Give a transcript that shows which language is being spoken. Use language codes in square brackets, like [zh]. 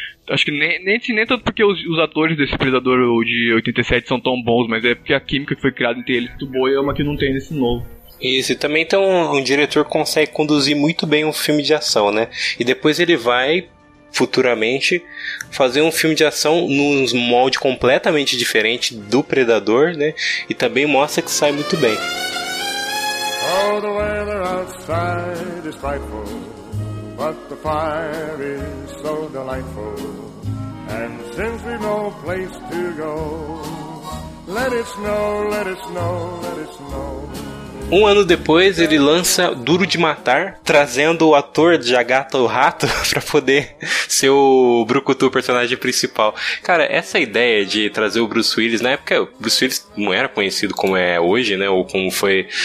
[pt] Acho que nem tanto porque os atores desse Predador de 87 são tão bons, mas é porque a química que foi criada entre eles é muito boa e é uma que não tem nesse novo. Isso, e também tem um diretor que consegue conduzir muito bem um filme de ação, né? E depois ele vai, futuramente, fazer um filme de ação num molde completamente diferente do Predador, né? E também mostra que sai muito bem. [en] Oh, the weather outside is frightful, but the fire is so delightful. And since we've no place to go, let it snow, let it snow, let it snow. [pt] Um ano depois, ele lança Duro de Matar, trazendo o ator de A Gata e o Rato pra poder ser o Brucutu, o personagem principal. Cara, essa ideia de trazer o Bruce Willis, na época, o Bruce Willis não era conhecido como é hoje, né? Ou como foi.